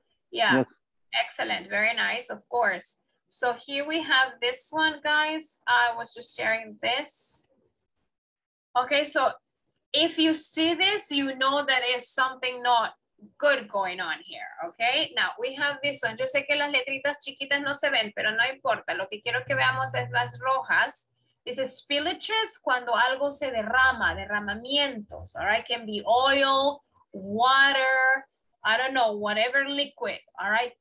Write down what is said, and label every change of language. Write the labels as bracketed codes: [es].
[en] Yeah. Yes. Excellent. Very nice. Of course. So here we have this one, guys. I was just sharing this. Okay. So if you see this, you know that is something not good going on here, okay? Now, we have this one. [es] Yo sé que las letritas chiquitas no se ven, pero no importa. Lo que quiero que veamos es las rojas. [en] This is spillages, [es] cuando algo se derrama, derramamientos, all right? [en] Can be oil, water, I don't know, whatever liquid, all right?